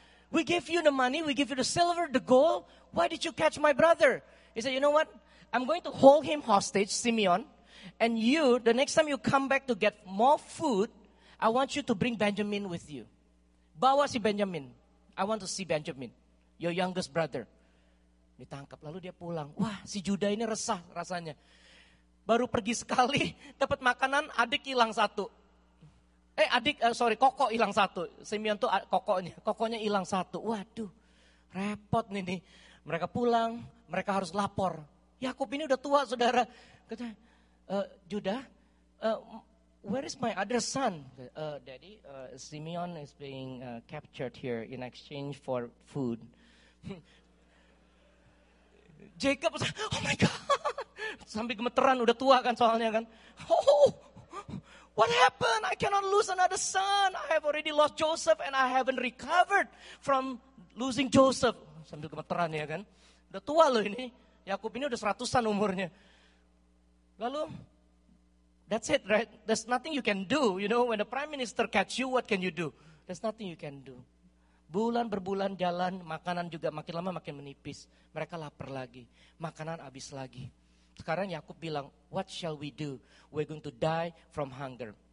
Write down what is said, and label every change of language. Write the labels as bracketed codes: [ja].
[en] We gave you the money, we gave you the silver, the gold. Why did you catch my brother? He said, you know what? I'm going to hold him hostage, Simeon. And you, the next time you come back to get more food, I want you to bring Benjamin with you. [id] Bawa si Benjamin. [en] I want to see Benjamin, your youngest brother. [id] Ditangkap, lalu dia pulang. Wah, si Judah ini resah rasanya. Baru pergi sekali, dapat makanan, adik hilang satu. Koko hilang satu. Simeon tuh kokonya. Kokonya hilang satu. Waduh, repot nih. Mereka pulang, mereka harus lapor. Yakub ini udah tua, saudara. [en] Kata, Judah, where is my other son? Daddy, Simeon is being captured here in exchange for food. [id] Jacob, [en] oh my God. [id] Sambil gemeteran, udah tua kan soalnya kan. [en] Oh, what happened? I cannot lose another son. I have already lost Joseph and I haven't recovered from losing Joseph. [id] Sambil gemeteran ya kan. Udah tua loh ini. Yakub ini udah seratusan umurnya. [en] Lalu, that's it, right? There's nothing you can do. You know, when the prime minister catch you, what can you do? There's nothing you can do. [id] Bulan berbulan jalan, makanan juga makin lama makin menipis. Mereka lapar lagi. Makanan habis lagi. Sekarang Yakub bilang, [en] what shall we do? We're going to die from hunger.